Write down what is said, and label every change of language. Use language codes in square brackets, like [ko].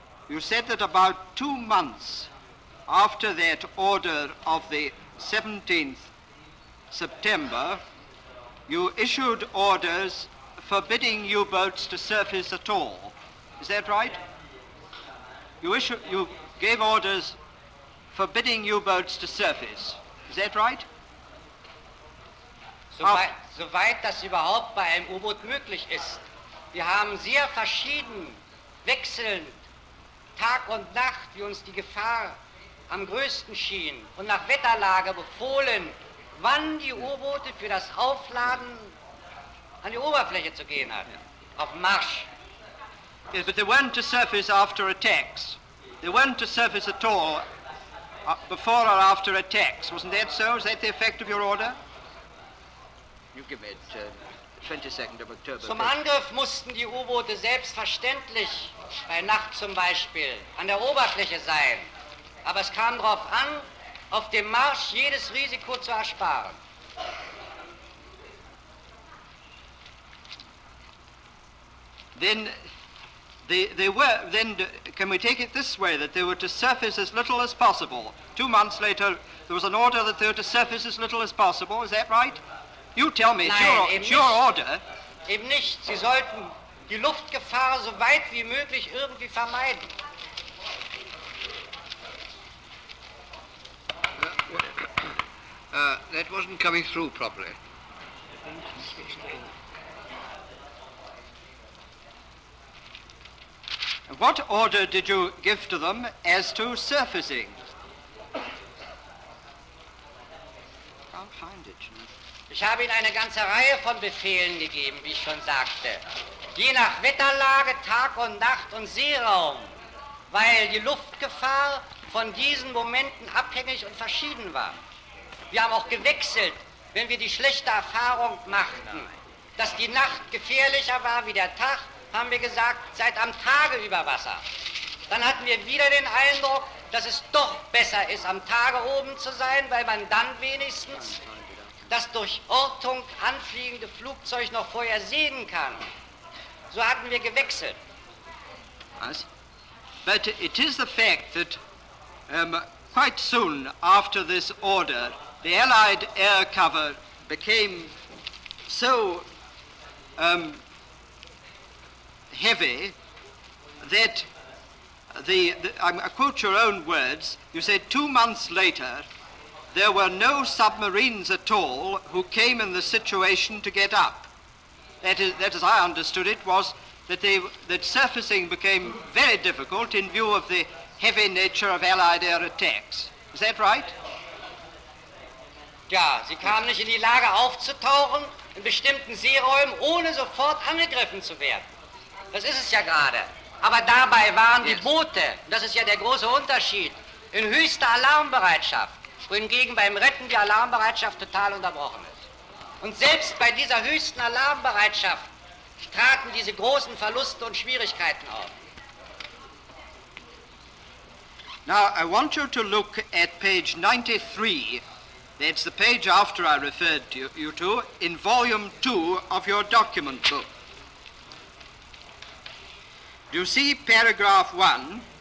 [en] You said that about 2 months after that order of the 17th September, you issued orders forbidding U-boats to surface at all. Is that right? You gave orders forbidding U-boats to surface. Is that right? [de] Soweit das überhaupt bei einem U-Boot möglich ist. Wir haben sehr verschieden, wechselnd, Tag und Nacht, wie uns die Gefahr am größten schien, und nach Wetterlage befohlen, wann die U-Boote für das Aufladen an die Oberfläche zu gehen hatten, auf Marsch. [en] Yes, but they weren't to surface after attacks. They weren't to surface at all before or after attacks. Wasn't that so? Is that the effect of your order? You give it 22nd of October. [de] Zum Angriff mussten die U-Boote selbstverständlich bei Nacht zum Beispiel an der Oberfläche sein. Aber es kam darauf an, auf dem Marsch jedes Risiko zu ersparen. [en] Can we take it this way, that they were to surface as little as possible? 2 months later, there was an order that they were to surface as little as possible. Is that right? You tell me, it's your order. [de] Eben nicht. Sie sollten die Luftgefahr so weit wie möglich irgendwie vermeiden. [en] That wasn't coming through properly. What order did you give to them as to surfacing? I'll find it. [de] Ich habe Ihnen eine ganze Reihe von Befehlen gegeben, wie ich schon sagte. Je nach Wetterlage, Tag und Nacht und Seeraum, weil die Luftgefahr von diesen Momenten abhängig und verschieden war. Wir haben auch gewechselt, wenn wir die schlechte Erfahrung machten, dass die Nacht gefährlicher war wie der Tag, haben wir gesagt, seid am Tage über Wasser. Dann hatten wir wieder den Eindruck, dass es doch besser ist, am Tage oben zu sein, weil man dann wenigstens das durch Ortung anfliegende Flugzeug noch vorher sehen kann. So hatten wir gewechselt. Was? [en] But it is the fact that quite soon after this order, the Allied air cover became so heavy that I quote your own words, you said 2 months later, there were no submarines at all who came in the situation to get up. That, as I understood it, was that that surfacing became very difficult in view of the heavy nature of Allied air attacks. Is that right? [de] Ja, sie kamen nicht in die Lage aufzutauchen in bestimmten Seeräumen, ohne sofort angegriffen zu werden. Das ist es ja gerade. Aber dabei waren die Boote, das ist ja der große Unterschied, in höchster Alarmbereitschaft, wohingegen beim Retten die Alarmbereitschaft total unterbrochen ist. Und selbst bei dieser höchsten Alarmbereitschaft traten diese großen Verluste und Schwierigkeiten auf. [en] Now, I want you to look at page 93. That's the page after I referred to you to in volume 2 of your document book. Do you see paragraph 1?